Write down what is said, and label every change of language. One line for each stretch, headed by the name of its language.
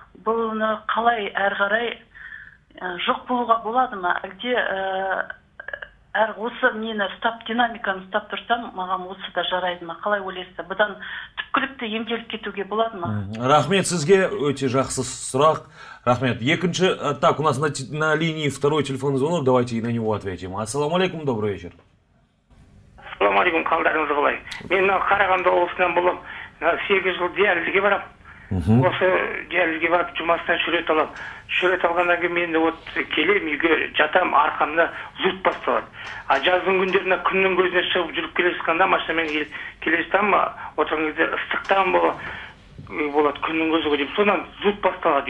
Kazakh: Бұны қалай әрі қарай жоқ болуға болады ма? Әлде әр осы мені ұстап, динамиканы ұстап тұрсам, маған осы да жарайды ма? Қалай ойлайсыз? Бұдан түпкілікті емделіп кетуге болады ма? Рахмет сізге, өте жақсы сұрақ. Рахмет. Екінші,
Russian: так, у нас на линии второй телефонный звонок, давайте на него ответим. Ассаламу алейкум, добрый вечер.
Kazakh: Ассаламу алейкум, қалдарыңыз қалай? Мен Қарағанды облысынан болам. 8 жыл диализге барам. Осы диализге барып, жұмастан шүрет алам. Шүрет алғаннан кейін мен вот келем, үйге жатам, арқамда зұт басталады. А жаздың күндерінде күннің көзіне шығып жүріп келесіңде, машинамен келесіңдер ма, отырған кезде ыстықтан болады күннің көзі ғой деп, содан зұт басталады.